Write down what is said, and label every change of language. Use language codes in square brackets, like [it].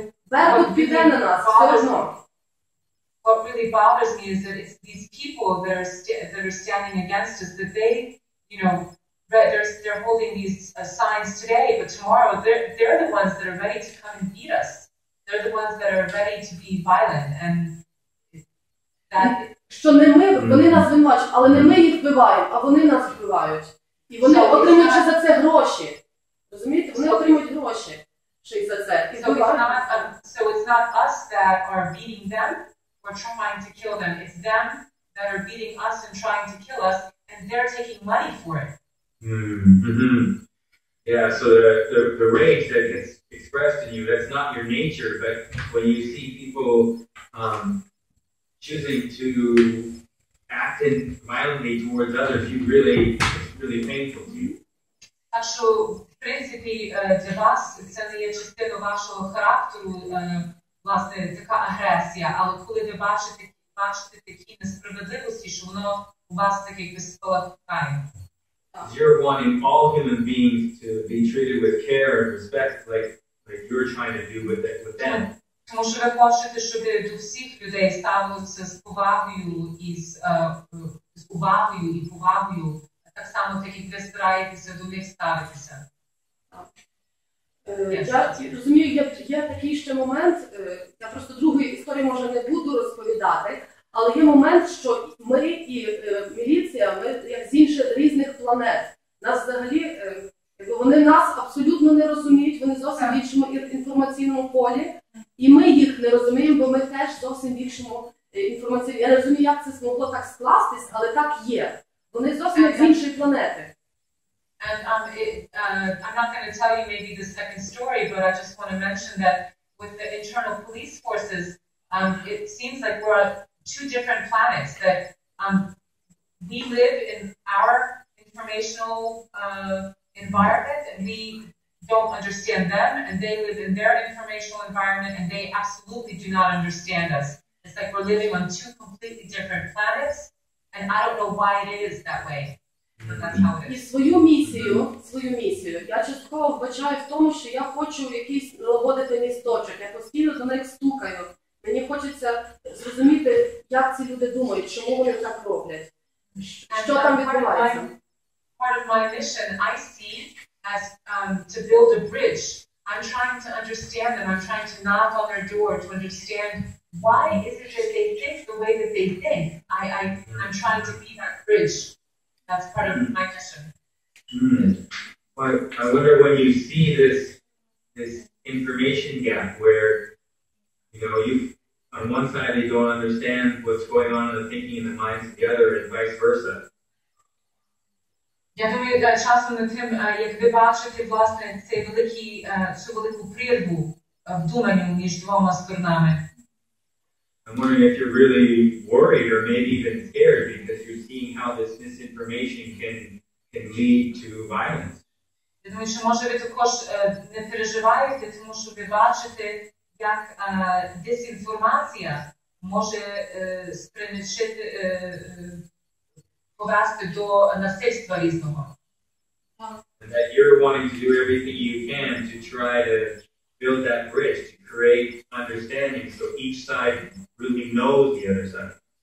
[uk] Вербут піде на нас, все одно. [en] What really bothers me is that it's these people that are standing against us, that they, you know, they're holding these signs today, but tomorrow they're the ones that are ready to come and beat us. They're the ones that are ready to be violent. And that [uk] що не ми, вони нас звинувачують, але не ми їх вбиваємо, а вони нас вбивають. І вони отримують за це гроші. Розумієте? Вони отримують гроші за це. [en] So it's not us that are beating them. We're trying to kill them. It's them that are beating us and trying to kill us, and they're taking money for it. Mm-hmm. Yeah, so the rage that gets expressed in you, that's not your nature, but when you see people choosing to act violently towards others, you really, it's really painful to you. [uk] Так що, в принципі, для вас це не є частина вашого характеру, власне, така агресія, але коли ви бачите такі несправедливості, що воно у вас таке, як ви спалахає. [en] You're wanting all human beings to be treated with care and respect, like you're trying to do with them. [uk] Тому що ви хочете, щоб до всіх людей ставилися з повагою і з увагою і повагою, так само, так як ви стараєтеся до них ставитися. Я розумію, є такий ще момент, я просто другої історії, може, не буду розповідати, Але є момент, що ми і міліція, ми як з інших різних планет. Нас взагалі, вони нас абсолютно не розуміють, вони зовсім в іншому інформаційному полі. І ми їх не розуміємо, бо ми теж зовсім в іншому інформаційному. Я не розумію, як це змогло так скластись, але так є. Вони зовсім як з іншої планети. [en] And I'm not going to tell you maybe the second story, but I just want to mention that with the internal police forces, it seems like we're on two different planets, that we live in our informational environment, and we don't understand them, and they live in their informational environment, and they absolutely do not understand us. It's like we're living on two completely different planets, and I don't know why it is that way. [uk] І свою місію, я частково вбачаю в тому, що я хочу якийсь налагодити місточок, я постійно до них стукаю. Мені хочеться зрозуміти, як ці люди думають, чому вони так роблять. Що там відбувається? [en] Part of my mission I see as to build a bridge. I'm trying to understand them, I'm trying to knock on their door to understand why is it that they think the way that they think. I'm trying to be that bridge. That's part of my question. I wonder when you see this information gap where, you know, you on one side they don't understand what's going on in the thinking and the minds of the other and vice versa. [uk] Я думаю, да, часто над тим, як ви бачите, власне, цей великий, цю велику прірву в думанні між двома сторонами. [en] I'm wondering if you're really worried or maybe even scared because you're seeing how this misinformation can lead to violence. [uk] Я думаю, що може ви також не переживаєте, тому що ви бачите, як дезінформація може спричинити повести до насильства різного. [en] And that you're wanting to do everything you can to try to build that bridge, to create understanding so each side really knows the other side.